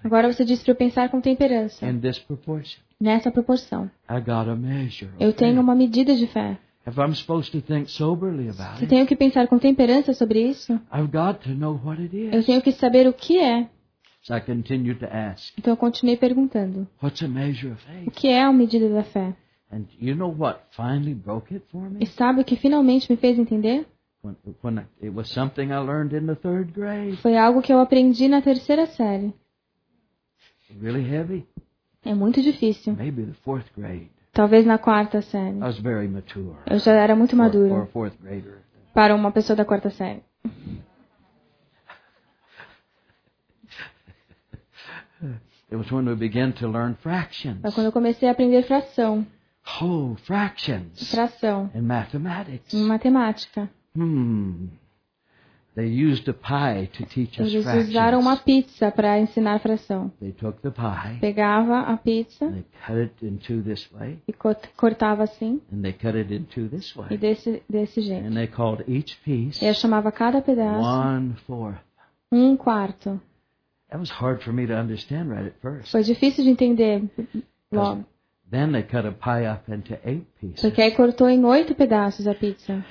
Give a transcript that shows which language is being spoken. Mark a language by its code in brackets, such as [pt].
[pt] Agora você disse para eu pensar com temperança. [en] In this proportion. [pt] Nessa proporção. [en] I got a measure. [pt] Eu tenho uma medida de fé. [en] If I'm supposed to think soberly about it, [pt] se tenho que pensar com temperança sobre isso, [en] I've got to know what it is. [pt] Eu tenho que saber o que é. [en] So I continued to ask, [pt] então eu continuei perguntando. [en] What's a measure of faith? [pt] O que é a medida da fé? [en] And you know what finally broke it for me? [pt] E sabe o que finalmente me fez entender? [en] When it was something I learned in the third grade. [pt] Foi algo que eu aprendi na terceira série. [en] Really heavy. [pt] É muito difícil. [en] Maybe the fourth grade. [pt] Talvez na quarta série. [en] I was very mature. [pt] Eu já era muito maduro. [en] For a fourth grader. [pt] Para uma pessoa da quarta série. [en] It was when we began to learn fractions. [pt] Foi quando eu comecei a aprender fração. [en] Oh, fractions. [pt] Fração. [en] In mathematics. [pt] Em matemática. [en] They used a pie to teach us fractions. [pt] Eles usaram uma pizza para ensinar fração. [en] They took the pie. [pt] Pegava a pizza. [en] They cut it in two this way. [pt] E cortava assim. [en] And they cut it in two this way. [pt] E desse jeito. [en] And they called each piece. [pt] E chamava cada pedaço. [en] 1/4. [pt] 1/4. [en] That was hard for me to understand right at first. [pt] Foi difícil de entender logo. [en] Then they cut a pie up into 8 pieces. [pt] Porque aí cortou em 8 pedaços a pizza.